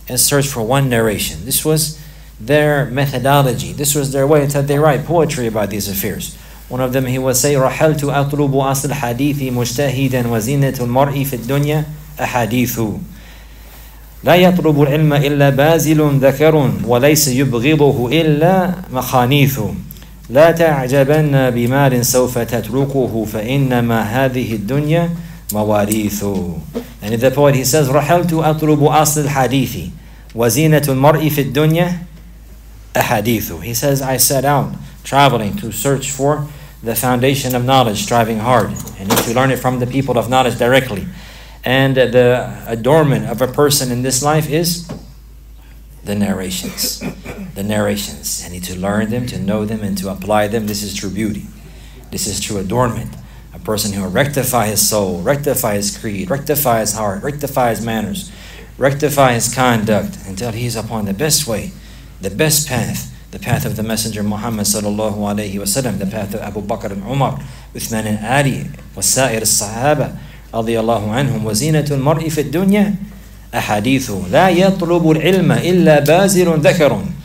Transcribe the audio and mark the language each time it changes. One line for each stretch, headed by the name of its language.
English: This was their methodology. This was their way that they write poetry about these affairs. One of them, he would say,
Arabic: رَحَلْتُ أَطْلُبُ أَصْلَ حَدِيثِ مُجْتَهِدًا وَزِينَةُ الْمَرْءِ فِي الدُّنْيَا أَحَدِيثُ. لا يطلب العلم إلا بازل ذكر وليس يبغضه إلا مخانيث لا تعجبن بمال سوف تتركه فإنما هذه الدنيا مواريث.
English: And the poet, he says,
Arabic: رحلت أطلب أصل الحديث وزينة المرء في الدنيا أحاديث.
English: He says, I set out traveling to search for the foundation of knowledge, striving hard, and to learn it from the people of knowledge directly. And the adornment of a person in this life is the narrations. I need to learn them, to know them, and to apply them. This is true beauty. This is true adornment. A person who will rectify his soul, rectify his creed, rectify his heart, rectify his manners, rectify his conduct until he is upon the best way, the best path, the path of the Messenger Muhammad sallallahu alayhi wa sallam, the path of Abu Bakr and Umar, Uthman and Ali,
Arabic: wa sa'ir as-sahaba, رضي الله عنهم. وزينة المرء في الدنيا أحاديث لا يطلب العلم إلا بازل ذكر.